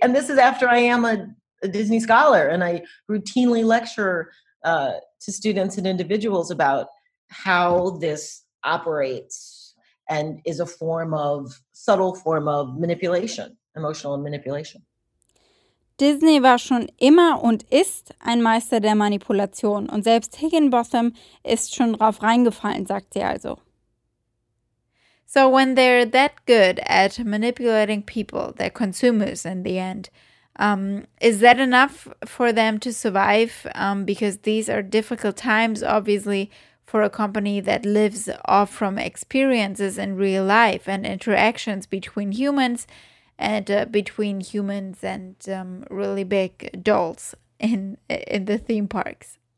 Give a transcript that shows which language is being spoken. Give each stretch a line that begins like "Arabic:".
English: And this is after I am a Disney scholar, and I routinely lecture to students and individuals about how this operates and is a form of subtle form of manipulation, emotional manipulation.
German: Disney war schon immer und ist ein Meister der Manipulation, und selbst Higginbotham ist schon drauf reingefallen, sagt sie also.
English: So when they're that good at manipulating people, their consumers in the end, is that enough for them to survive? Because these are difficult times, obviously, for a company that lives off from experiences in real life and interactions between humans and between humans and really big dolls in the theme parks.